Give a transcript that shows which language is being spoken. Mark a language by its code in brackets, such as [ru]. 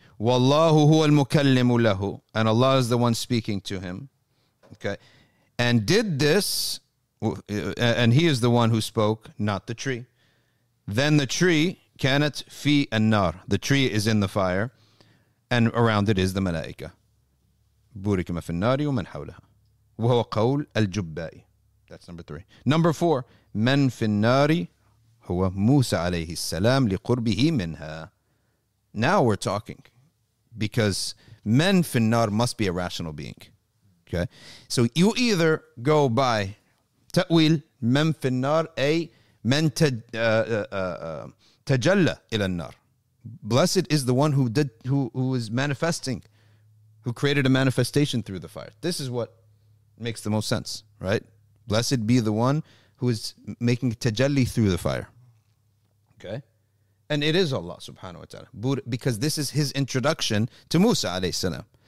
[ar] وَاللَّهُ هُوَ الْمُكَلِّمُ لَهُ [en] And Allah is the one speaking to him. Okay, and did this, and he is the one who spoke, not the tree. Then the tree, [ar] كانت في النار. [en] The tree is in the fire, and around it is the ملائكة. [ar] بورك ما في النار ومن حولها. وهو قول الجبائي. [en] That's number three. Number four, [ar] من في النار هو موسى عليه السلام لقربه منها. [en] Now we're talking, because [ar] من في النار [en] must be a rational being. Okay, so you either go by [ar] تأويل من في النار أي من تجلى إلى النار. [en] Blessed is the one who is manifesting, who created a manifestation through the fire. This is what makes the most sense, right? Blessed be the one who is making تجلي through the fire. Okay, and it is Allah Subhanahu wa Taala, because this is His introduction to Musa alayhi salam.